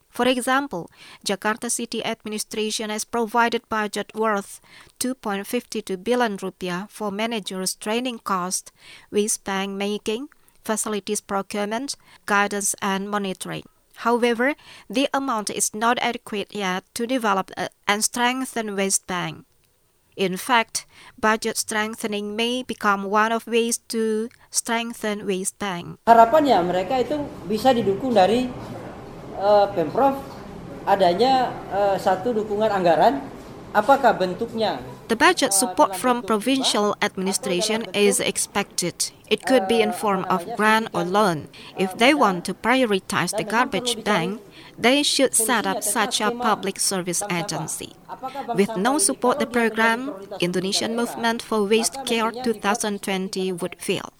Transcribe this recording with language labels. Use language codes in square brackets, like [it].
[en] For example, Jakarta City Administration has provided budget worth 2.52 billion rupiah for managers' training cost, waste bank making, facilities procurement, guidance, and monitoring. However, the amount is not adequate yet to develop and strengthen waste bank. In fact, budget strengthening may become one of ways to strengthen waste bank. [id] Harapannya mereka itu bisa didukung dari Pemprov adanya satu dukungan anggaran. Apakah bentuknya? [en] The budget support from provincial administration is expected. It could be in form of grant or loan. If they want to prioritize the garbage bank, they should set up such a public service agency. With no support the program, Indonesian Movement for Waste Care 2020 would fail.